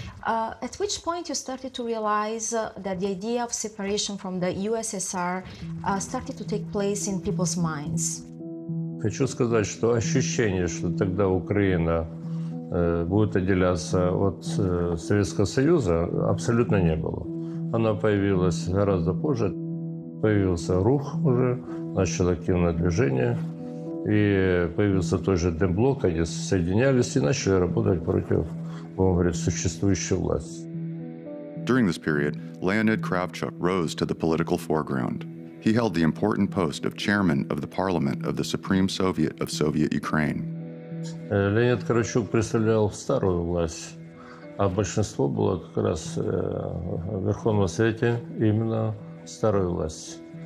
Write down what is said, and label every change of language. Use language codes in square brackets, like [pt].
[en] At which point you started to realize that the idea of separation from the USSR started to take place in people's minds? [uk] Хочу сказати, що ощущение, що тоді Україна буде відділятися від Совєтського Союзу, абсолютно не було. Вона з'явилася [ru] гораздо позже. [uk] З'явився рух вже, почало активне движение. [ru] И появился тот же Демблок, они соединялись и начали работать против, он говорит, существующей власти. [en] During this period, Leonid Kravchuk rose to the political foreground. He held the important post of chairman of the parliament of the Supreme Soviet of Soviet Ukraine. [ru] Леонид Кравчук представлял старую власть, а большинство было как раз в Верховном Совете именно старой власти.